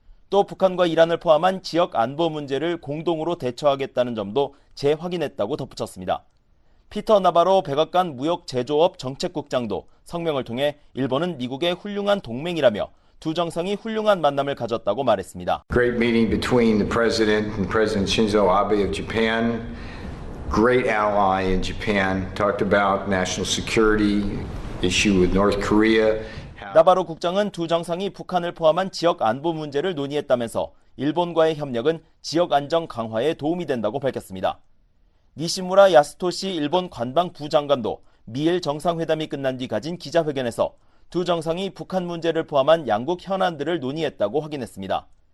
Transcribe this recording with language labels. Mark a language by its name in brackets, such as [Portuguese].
[Korean] 또 북한과 이란을 포함한 지역 안보 문제를 공동으로 대처하겠다는 점도 재확인했다고 덧붙였습니다. 피터 나바로 백악관 무역제조업 정책국장도 성명을 통해 일본은 미국의 훌륭한 동맹이라며 두 정상이 훌륭한 만남을 가졌다고 말했습니다. [English] Great meeting between the President and President Shinzo Abe of Japan. Great ally in Japan. Talked about national security issue with North Korea. [Korean] 나바로 국장은 두 정상이 북한을 포함한 지역 안보 문제를 논의했다면서 일본과의 협력은 지역 안정 강화에 도움이 된다고 밝혔습니다. 니시무라 야스토시 일본 관방부 장관도 미일 정상회담이 끝난 뒤 가진 기자회견에서 두 정상이 북한 문제를 포함한 양국 현안들을 논의했다고 확인했습니다.